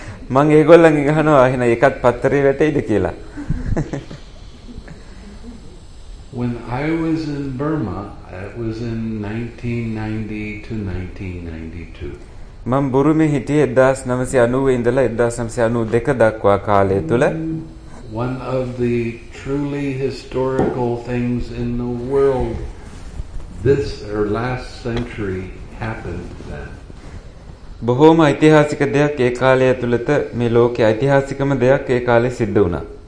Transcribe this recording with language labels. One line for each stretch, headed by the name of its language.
Sinhala: මං ඒගොල්ලන්ගෙන් අහනවා එහෙනම් එකත් පත්තරේ වැටෙයිද කියලා.
English: When I was in Burma, it was in 1990 to
Sinhala: 1992. මම බුරුමේ හිටියේ 1990 ඉඳලා 1992 දක්වා කාලය තුල.
English: One of the truly historical things in the world this or last century happened then.
Sinhala: බොහෝම ඓතිහාසික දෙයක් ඒ කාලය ඇතුළත මේ ලෝකයේ ඓතිහාසිකම දෙයක් ඒ කාලේ සිද්ධ වුණා.